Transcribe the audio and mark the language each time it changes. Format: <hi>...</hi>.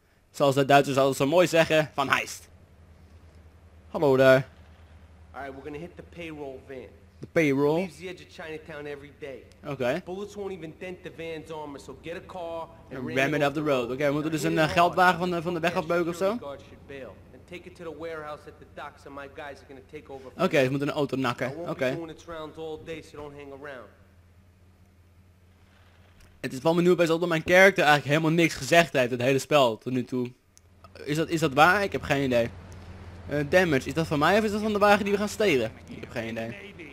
<nl>Zoals de Duitsers altijd zo mooi zeggen. Van Heist. Hallo daar.</nl> <en>Alright, we're gonna hit the payroll van. The payroll. Leaves the edge of Chinatown every day. Okay. Bullets won't even dent the van's armor, so get a car and ram it up the road.</en> <nl>Okay, moeten we dus een geldwagen van de weg afbeuken ofzo?</nl> <en>Take it to the warehouse at the docks and my guys are gonna take over.</en> <nl>Okay, ze moeten een auto nakken. Okay.</nl> <en>I won't be doing its rounds all day, so don't hang around.</en> <nl>Het is van me nu opeens dat mijn character eigenlijk helemaal niks gezegd heeft het hele spel tot nu toe. Is dat waar? Ik heb geen idee. Damage, is dat van mij of is dat van de wagen die we gaan stelen? Ik heb geen idee.</nl>